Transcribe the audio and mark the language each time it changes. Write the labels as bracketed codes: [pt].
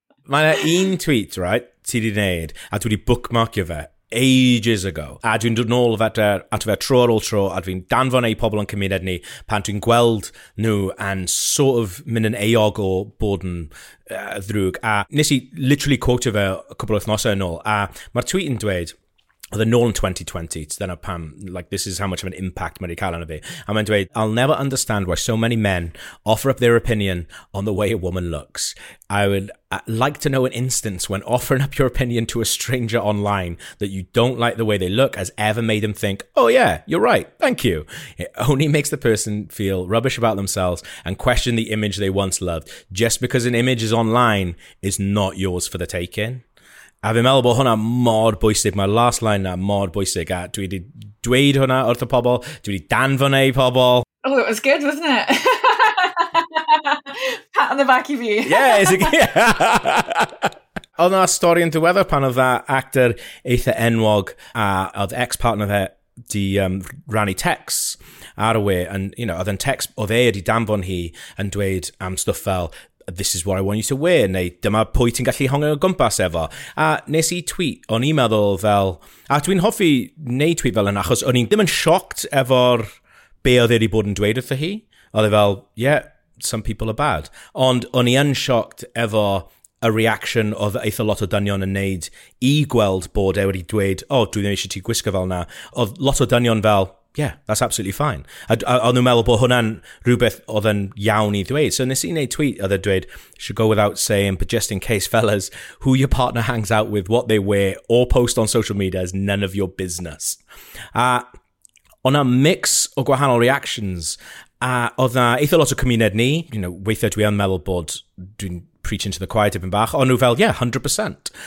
[cy] Mae yna un tweet, right, ti wedi gwneud, a dwi wedi bookmarkio fe [en] ages ago, [cy] a dwi'n dod nôl at fe tro ar ôl tro, a dwi'n danfon ei pobl yn cymuned ni pan dwi'n gweld nhw and [en] sort of [cy] mynd yn eog o bod yn ddrwg, a nes I literally quote fe [en] a couple of [cy] wythnosau yn ôl, a mae'r tweet yn dweud, Oedd yn ôl yn 2020, dyna pam, [en] like, this is how much of an impact [cy] mae wedi cael arno fi. A mae'n dweud, [en] I'll never understand why so many men offer up their opinion on the way a woman looks. I would like to know an instance when offering up your opinion to a stranger online that you don't like the way they look has ever made them think, oh yeah, you're right, thank you. It only makes the person feel rubbish about themselves and question the image they once loved. Just because an image is online is not yours for the taking. [cy] A fi'n meddwl bod hwnna mor bwysig, mae'r [en] last line [cy] na mor bwysig, a dwi wedi dweud hwnna wrth y pobol, dwi wedi danfon ei pobol. [en] Oh, it was good, wasn't it? Pat on the back [cy] i fi. [en] Yeah, it's a good... [cy] Oedd yna stori yn ddiweddar pan oedd [en] that actor [cy] eitha enwog a oedd ex-partner fe di rannu text ar y we, and [en] you know, [cy] oedd yn text oedd ei wedi danfon hi yn dweud am stwff fel... [en] this is what I want you to wear, [cy] neu dyma pwy ti'n gallu hongio gwmpas efo. A nes i tweet, o'n i'n meddwl fel, a dwi'n hoffi neud tweet fel yna, achos o'n i'n ddim yn sioct efo'r be oedd wedi bod yn dweud wrtho hi. Oedd e fel, [en] yeah, some people are bad. [cy] Ond o'n i yn sioct efo a reaction oedd eitha lot o dynion yn neud i gweld bod e wedi dweud, oh, dwi ddim eisiau ti gwisgo fel na. Oedd lot o dynion fel, [en] yeah, that's absolutely fine. [cy] Oedd nhw'n meddwl bod hwnna'n rhywbeth oedd yn iawn i ddweud. So nes i wneud tweet oedd e dweud, [en] should go without saying, but just in case, fellas, who your partner hangs out with, what they wear, or post on social media is none of your business. [cy] A o'n a mix o gwahanol reactions, a oedd na eitha lot o cymuned ni, [en] you know, [cy] weithiau dwi yn meddwl bod dwi'n [en] preaching to the choir [cy] tipyn bach, o'n nhw fel, [en] yeah, 100%.